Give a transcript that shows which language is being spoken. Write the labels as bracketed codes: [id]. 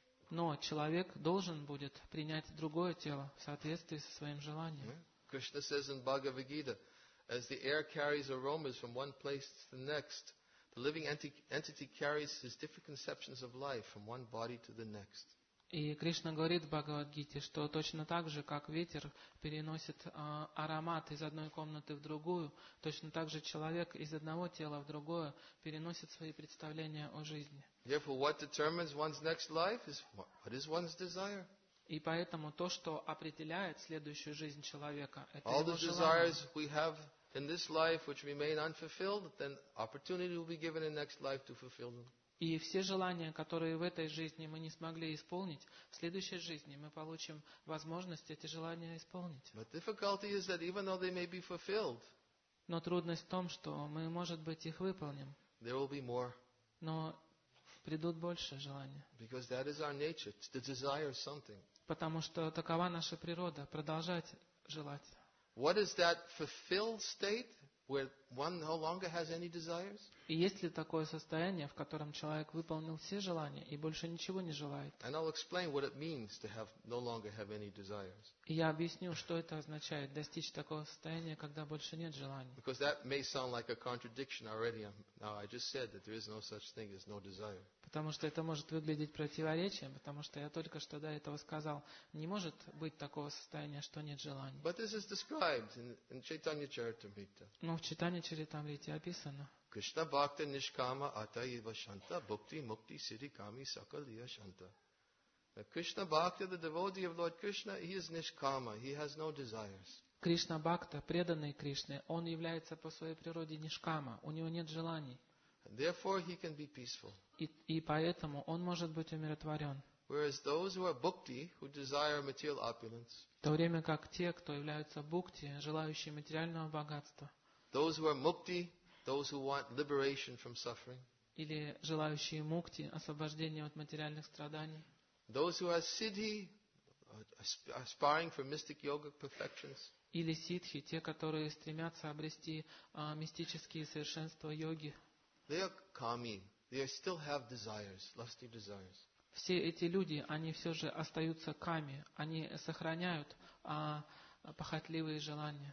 [ru] Но человек должен будет принять другое тело в соответствии со своим желанием. [en] Кришна says in Bhagavad Gita, as the air carries aromas from one place to the next, the living entity carries his different conceptions of life from one body to the next. [ru] И Кришна говорит в Бхагавад-гите, что точно так же, как ветер переносит аромат из одной комнаты в другую, точно так же человек из одного тела в другое переносит свои представления о жизни. [en] Therefore, what determines one's next life is what is one's desire. [ru] И поэтому то, что определяет следующую жизнь человека, это [en] all the desires we have in this life which remain unfulfilled, then opportunity will be given in next life to fulfill them. [ru] И все желания, которые в этой жизни мы не смогли исполнить, в следующей жизни мы получим возможность эти желания исполнить. [en] But difficulty is that even though they may be fulfilled, [ru] но трудность в том, что мы, может быть, их выполним. [en] There will be more. [ru] Но придут больше желания. [en] Because that is our nature, to desire something. [ru] Потому что такова наша природа, продолжать желать. [en] What is that fulfilled state where one no longer has any desires? [ru] И есть ли такое состояние, в котором человек выполнил все желания и больше ничего не желает? [en] And I'll explain what it means to have no longer have any desires. [ru] И я объясню, что это означает достичь такого состояния, когда больше нет желаний. [en] Because that may sound like a contradiction already. Now I just said that there is no such thing as no desire. [ru] Потому что это может выглядеть противоречием, потому что я только что до этого сказал, не может быть такого состояния, что нет желаний. [en] But this is described in Chaitanya Charitamrita. [ru] Но в Чайтанья Чаритамрите описано. [sa] Кришна бхакта нишкама ата ива шанта бхукти мукти сири ками сакалия шанта. [en] Кришна бхакта, the devotee of Lord Krishna, he is nishkama, he has no desires. [ru] Кришна бхакта, преданный Кришне, он является по своей природе нишкама, у него нет желаний. [en] Therefore he can be peaceful. [ru] И поэтому он может быть умиротворен. [en] Whereas those who are bhukti, who desire material opulence. [ru] В то время как те, кто являются бхукти, желающие материального богатства. [en] Those who are mukti, those who want liberation from suffering. [ru] Или желающие мукти, освобождение от материальных страданий. [en] Those who are siddhi, aspiring for mystic yogic perfections. [ru] Или сиддхи, те, которые стремятся обрести мистические совершенства йоги. [en] They are kami. They still have desires, lusty desires. [ru] Все эти люди, они все же остаются ками, они сохраняют похотливые желания.